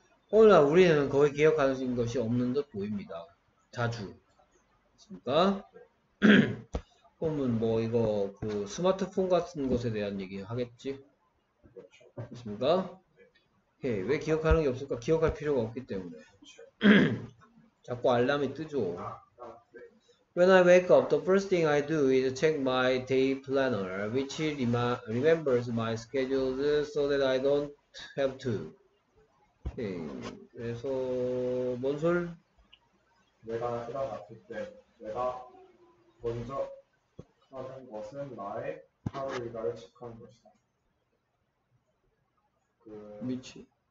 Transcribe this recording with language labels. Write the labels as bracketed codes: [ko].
[ko] 오늘날 우리는 거의 기억하는 것이 없는 듯 보입니다. 자주. 그러니까 그러면 뭐 이거 그 스마트폰 같은 것에 대한 얘기 하겠지? 있습니까? 예, 왜 기억하는 게 없을까? 기억할 필요가 없기 때문에. 자꾸 알람이 뜨죠. [en] When I wake up, the first thing I do is check my day planner, which remembers my schedule so that I don't have to. [ko] 예, 그래서 뭔 소리? 내가 일어났을 때 내가 먼저 하는 것은 나의 하루 일과를 체크하는 것이다. 미치.